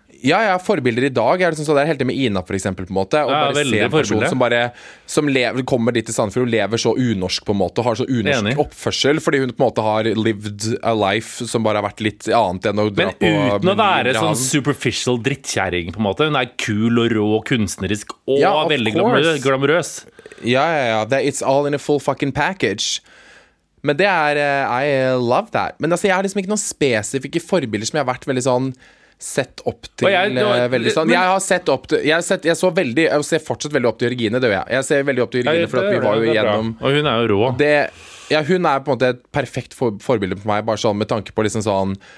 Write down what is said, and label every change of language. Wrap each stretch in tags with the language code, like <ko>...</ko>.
<no>Ja, jeg har forbilder i dag, jeg er liksom så der helt med Ina for eksempel på en måte, og ja, bare se en person forbilder. Som bare, som lever, kommer dit til Sandefjord og lever så unorsk på en måte, har så unorsk oppførsel, fordi hun på en måte har</no> <en>lived a life</en> <no>som bare har vært litt annet enn å dra men på... Men uten å være sånn superficial drittkjæring på en måte, hun er kul og rå og kunstnerisk og ja, veldig glamorøs.</no> <en>Ja, it's all in a full fucking package.</en> <no>Men det er,</no> <en>I love that.</en> <no>Men altså, jeg har liksom ikke noen spesifikke forbilder som jeg har vært veldig sånn sett opp til veldig sånn. Jeg har sett opp til, jeg ser fortsatt veldig opp til Regine, det gjør jeg. Jeg ser veldig opp til Regine, for at vi var jo igjennom. Og hun er jo rå. Hun er på en måte et perfekt forbilde på meg, bare sånn med tanke på liksom sånn,</no>